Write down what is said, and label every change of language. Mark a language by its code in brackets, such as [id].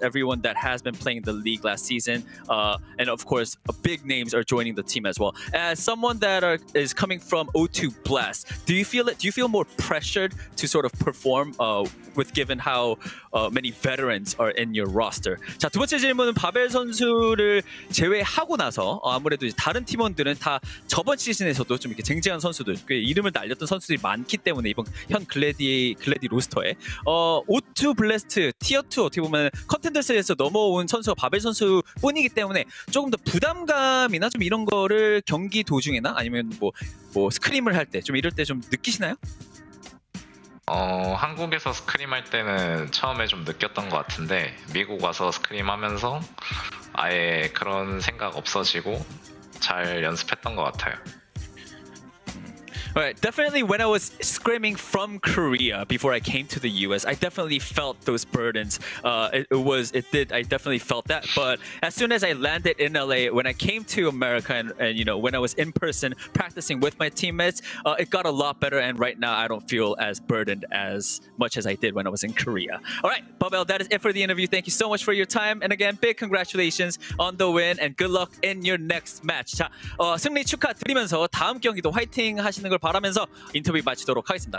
[en] Everyone that has been playing the league last season, and of course, big names are joining the team as well. As someone that is coming from O2 Blast, do you feel it? Do you feel more pressured to sort of perform with given how many veterans are in your roster? [ko] 자, 두 번째 질문은 바벨 선수를 제외하고 나서 아무래도 이제 다른 팀원들은 다 저번 시즌에서도 좀 이렇게 쟁쟁한 선수들, 그 이름을 날렸던 선수들이 많기 때문에 이번 현 글래디 로스터에 O2 블래스트 티어 2 어떻게 보면 컨텐더스에서 넘어온 선수가 바벨 선수뿐이기 때문에 조금 더 부담감이나 좀 이런 거를 경기 도중에나 아니면 뭐 스크림을 할 때 좀 이럴 때 좀 느끼시나요? 한국에서 스크림할 때는 처음에 좀 느꼈던 것 같은데 미국 와서 스크림하면서 아예 그런 생각 없어지고 잘 연습했던 것 같아요. [en] Alright, definitely when I was scrimming from Korea before I came to the US, I definitely felt those burdens. I definitely felt that. But as soon as I landed in LA, when I came to America and you know, when I was in person practicing with my teammates, it got a lot better. And right now, I don't feel as burdened as much as I did when I was in Korea. Alright, Babel, that is it for the interview. Thank you so much for your time. And again, big congratulations on the win and good luck in your next match. [ko] 자, 승리 축하드리면서 다음 경기도 화이팅 하시는 걸 바라면서 인터뷰 마치도록 하겠습니다.